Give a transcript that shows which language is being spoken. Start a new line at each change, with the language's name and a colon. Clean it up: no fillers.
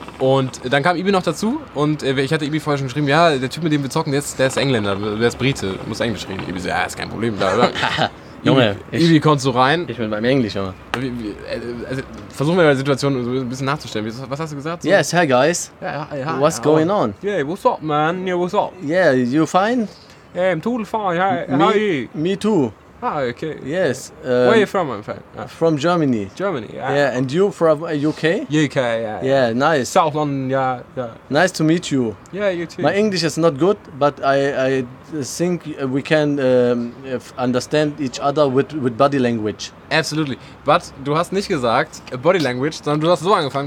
German: Und dann kam Ibi noch dazu und ich hatte Ibi vorher schon geschrieben, ja, der Typ, mit dem wir zocken, der ist Engländer, der ist Brite, muss Englisch reden. Ibi so, ja, ist kein Problem. Junge, Ibi kommt so rein. Ich bin beim Englisch, Junge. Also, versuchen wir mal die Situation so ein bisschen nachzustellen. Was hast du gesagt? So?
English: Yes, hey guys. Yeah, hi, what's going on? Yeah, what's up, man? Yeah, what's up? Yeah, you fine? Yeah, I'm totally fine. Hi, how are you? Me too. Ah, okay. Yes. Where are you from, my friend? From Germany. Germany, yeah. Yeah, and you from UK? UK, yeah. Yeah, nice. South London, yeah, yeah. Nice to meet you. Yeah, you too. My English is not good, but I think we can understand each other with body language. Absolutely.
German: But du hast nicht gesagt body language, sondern du hast so angefangen.